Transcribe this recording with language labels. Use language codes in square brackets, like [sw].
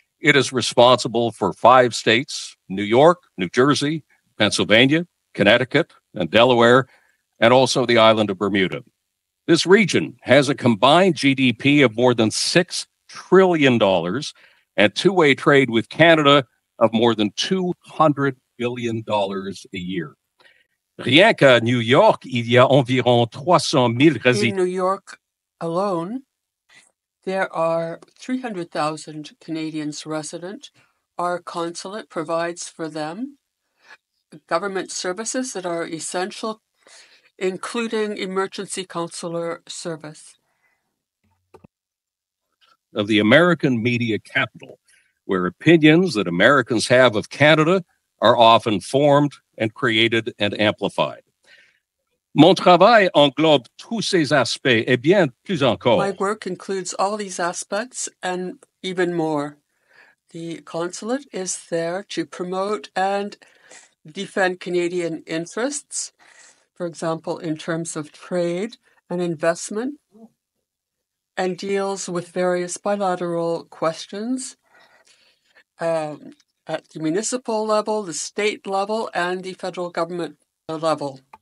[en] It is responsible for five states, New York, New Jersey, Pennsylvania, Connecticut, and Delaware, and also the island of Bermuda. This region has a combined GDP of more than $6 trillion and two-way trade with Canada of more than $200 billion a year. [fr] Rien qu'à New York, il y a environ 300 000 résidents. [en] In New York alone, there are 300,000 Canadians resident. Our consulate provides for them government services that are essential, including emergency consular service. Of the American media capital, where opinions that Americans have of Canada are often formed and created and amplified. [fr] Mon travail englobe tous ces aspects et bien plus encore. [en] My work includes all these aspects and even more. The consulate is there to promote and defend Canadian interests, for example, in terms of trade and investment, and deals with various bilateral questions at the municipal level, the state level, and the federal government level.